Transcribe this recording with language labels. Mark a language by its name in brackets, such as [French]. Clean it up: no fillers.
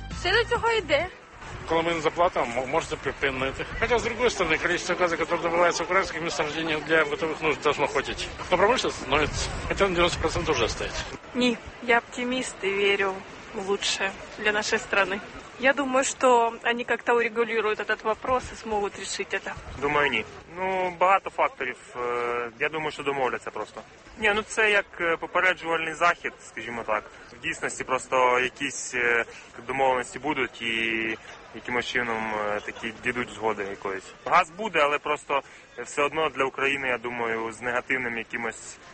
[Ukrainian] Все до цього йде. Коли ми не заплатимо, можете припинити. Хоча, з іншої сторони, кількість газу, яка добувається в українських місцевдіннях для готових нужд, теж находить. Но промисловість становиться, хоча на 90% вже стоїть. Ні, я оптиміст і вірю в лучше для нашої країни. [Russian] Я думаю, что они как-то урегулируют этот вопрос и смогут решить это. Думаю, нет. [Ukrainian] Ну, багато факторів. Я думаю, що домовляться просто. Ні, ну це як попереджувальний захід, скажімо так. В дійсності просто якісь домовленості будуть і якимось чином такі дійдуть згоди якоїсь. Газ буде, але просто все одно для України, я думаю, з негативним якимось...